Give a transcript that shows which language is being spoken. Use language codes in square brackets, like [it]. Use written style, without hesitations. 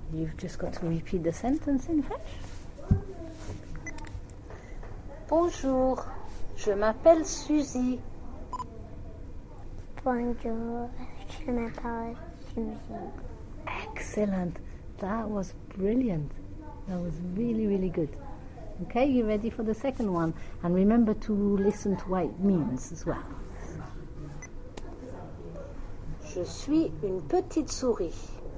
[en] You've just got to repeat the sentence in French. [fr] Bonjour, je m'appelle Suzy. Bonjour, je m'appelle Suzy. [en] Excellent. That was brilliant. That was really, really good. Okay, you ready for the second one? And remember to listen to what it means as well. [fr] Je suis une petite souris.